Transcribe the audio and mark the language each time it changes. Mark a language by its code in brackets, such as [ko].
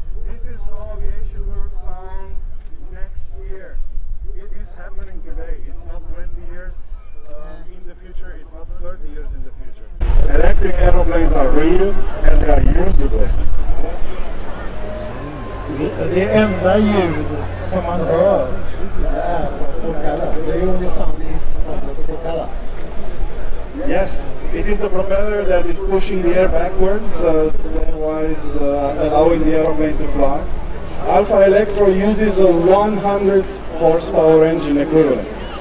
[en] This is how aviation will sound next year. It is happening today. It's not 20 years. In the future, it's not 30 years in the future. Electric aeroplanes are real and they are usable. [sv] The enda ljud som man hör är från propeller. [en] The only sound is from the propeller. Yes, it is the propeller that is pushing the air backwards, otherwise allowing the aeroplane to fly. Alpha Electro uses a 100 horsepower engine equivalent.